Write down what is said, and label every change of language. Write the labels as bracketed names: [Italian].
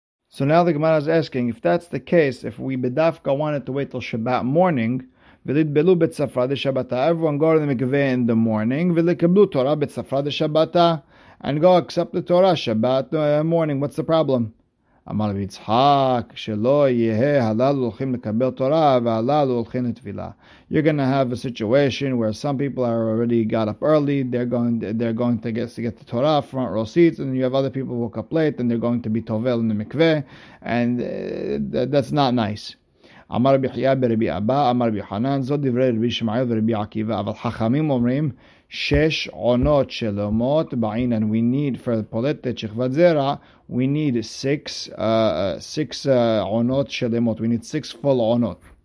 [English] So now the Gemara is asking, if that's the case, if we bedafka wanted to wait till Shabbat morning, everyone go to the mikveh in the morning, and go accept the Torah Shabbat morning. What's the problem? [Hebrew] אמר רבי יצחק, שלא יהיה הללו הולכים לקבל תורה והללו הולכים לתפילה. [English] You're going to have a situation where some people are already got up early, they're going to get the Torah, front row seats, and you have other people who woke up late, and they're going to be tovel in the mikveh, and that's not nice. [Hebrew] אמר רבי חייא ברבי אבא, אמר רבי חנן, זאת דברי רבי שמעיל ורבי עקיבא, אבל חכמים אומרים, שש עונות שלמות בעין, [English] and we need for the פולטת שכבת זרע, we need six עונות שלמות, we need six full עונות.